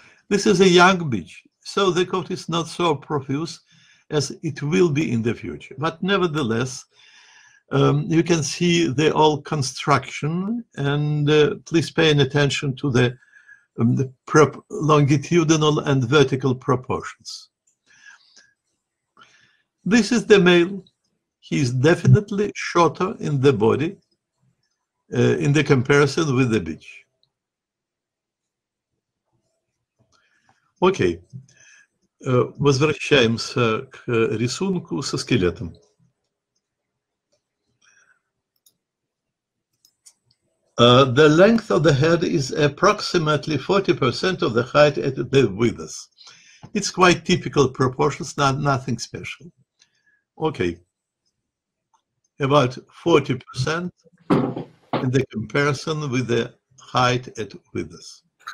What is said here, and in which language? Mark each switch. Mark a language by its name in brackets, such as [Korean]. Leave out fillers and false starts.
[English] This is a young bitch, so the coat is not so profuse as it will be in the future, but nevertheless, you can see the old construction, and please pay attention to the longitudinal and vertical proportions. This is the male. He is definitely shorter in the body in the comparison with the bitch. [Russian] Okay, возвращаемся к рисунку со скелетом. [English] The length of the head is approximately 40% of the height at the withers. It's quite typical proportions, nothing special. Okay, about 40% in the comparison with the height at withers.